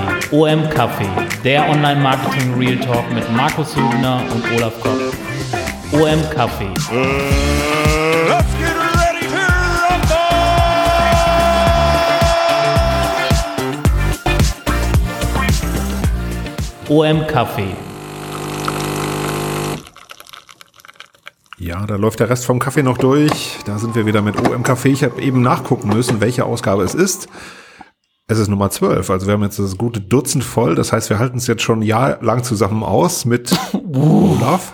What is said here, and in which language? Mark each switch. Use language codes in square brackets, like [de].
[de] OM Kaffee, der Online-Marketing-Real-Talk mit Markus Hübner und Olaf Koch. OM Kaffee. [en] Let's get ready to rumble! [de] OM Kaffee. Ja, da läuft der Rest vom Kaffee noch durch. Da sind wir wieder mit OM Kaffee. Ich habe eben nachgucken müssen, welche Ausgabe es ist. Es ist Nummer 12, also wir haben jetzt das gute Dutzend voll. Das heißt, wir halten es jetzt schon jahrelang zusammen aus mit Olaf.